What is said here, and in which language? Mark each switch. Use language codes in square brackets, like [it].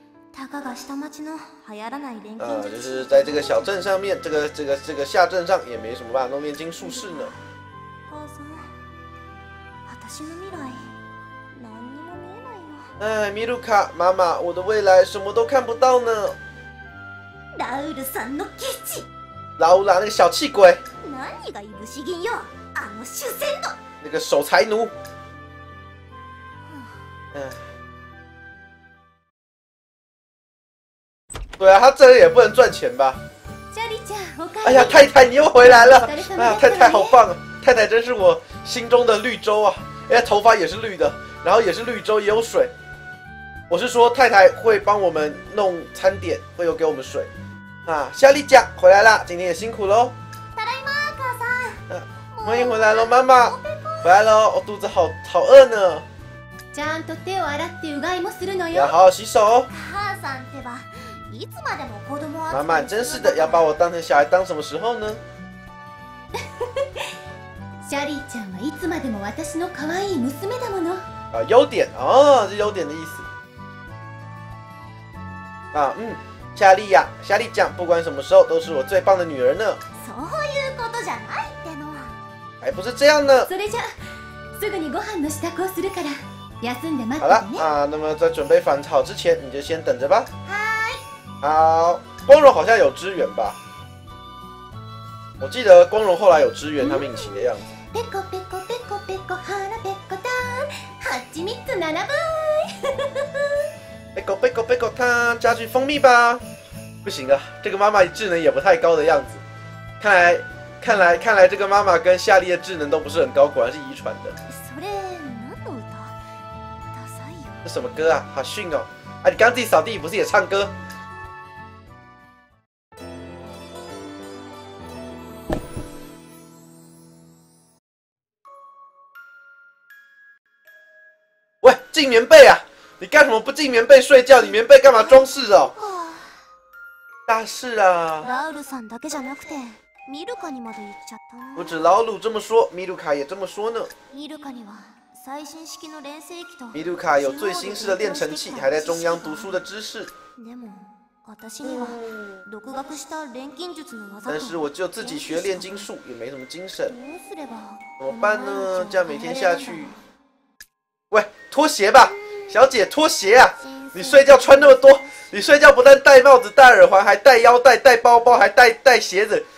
[ja] たかが下町の流行らない錬金術。 [zh] 就是在这个小镇上面，这个下镇上也没什么办法弄炼金术士呢。 [ja] 私の未来何にも見えないよ。 [zh] 哎，ミルカ、ママ、我的未来什么都看不到呢。 [ja] ラウルさんのケチ。 [zh] ラウラ、那个小气鬼。 [ja] 何がいぶし銀よ、あの守銭の。 [zh] 那个守财奴。对啊，他这里也不能赚钱吧？ [ja] ジャリちゃん、おかえ [zh] り。哎呀，太太你又回来了。哎呀，太太好棒啊！太太真是我心中的绿洲啊。哎，头发也是绿的，然后也是绿洲，也有水。我是说，太太会帮我们弄餐点，会有给我们水。啊，夏莉酱回来啦，今天也辛苦喽。 [ja] ただいま、母さん。 [zh] 欢迎回来喽，妈妈。回来喽，我肚子好饿呢。 [ja] ちゃんと手を洗ってうがいもするのよ。 [zh] 要好好洗手。 [ja] 母さんってば、いつまでも子供 [zh] は。妈妈，真是的，要把我当成小孩当什么时候呢？ [ja] シャリーちゃんはいつまでも私の可愛い娘だもの。 [zh] 啊，优点哦，是优点的意思。啊，嗯，夏莉呀，夏莉ちゃん，不管什么时候都是我最棒的女儿呢。 [ja] そういうことじゃないってのは。 [zh] 还不是这样呢。 [ja] それじゃ、すぐにご飯の支度をするから、休んで待ってね。 [zh] 好了，啊，那么在准备返草之前，你就先等着吧。 [ja] はい。 [zh] 好，光荣好像有支援吧。我记得光荣后来有支援他们引擎的样子。 [ja] ペコペコペコペコ腹ペコタン、ハチミツ七倍。ペコペコペコタン， [zh] 加句蜂蜜吧。不行啊，这个妈妈智能也不太高的样子。看来这个妈妈跟夏莉的智能都不是很高，果然是遗传的。 [ja] それ何の歌？ダサいよ。 [zh] 这什么歌啊？好逊哦！啊，你刚自己扫地不是也唱歌？静棉被啊，你干什么不进棉被睡觉？你棉被干嘛装饰哦？大事啊！ [ja] ラウルさんだけじゃなくて、ミルカにまで言っちゃった [zh] な。不止劳鲁这么说，ミルカ也这么说呢。 [ja] ミルカには最新式の錬成器と。 [zh] ミルカ有最新式的炼成器，还在中央读书的知识。 [ja] でも私には独学した錬金術の技と。 [zh] 但是我就自己学炼金术，也没什么精神。 [ja] どうすれば？ [zh] 怎么办呢？这样每天下去。喂，拖鞋吧。小姐，拖鞋啊！你睡觉穿那么多，你睡觉不但戴帽子、戴耳环，还戴腰带、戴包包，还戴鞋子。